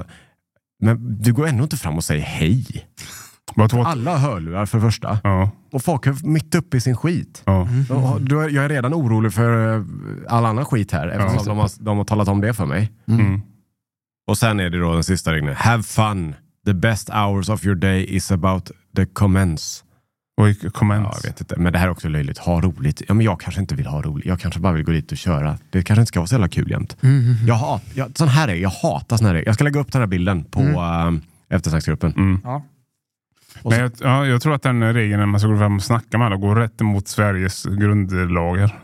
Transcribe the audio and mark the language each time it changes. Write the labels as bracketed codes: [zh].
[sv] Bara, men du går ändå inte fram och säger hej. Alla hörlurar för första. Ja. Och folk är mitt uppe i sin skit. Ja. Mm. Jag är redan orolig för all annan skit här. Eftersom de har talat om det för mig. Mm. Och sen är det då den sista regeln. [en] Have fun. The best hours of your day is about the commence. [sv] Oj, commence. Ja, jag vet inte. Men det här är också löjligt. Ha roligt. Ja, men jag kanske inte vill ha roligt. Jag kanske bara vill gå dit och köra. Det kanske inte ska vara så jävla kul jämt. Mm. Jag hatar sån här regler. Jag ska lägga upp den här bilden på eftersnacksgruppen. Mm. Ja. Jag tror att den regeln när man ska gå fram och snacka med alla går rätt emot Sveriges grundlagar.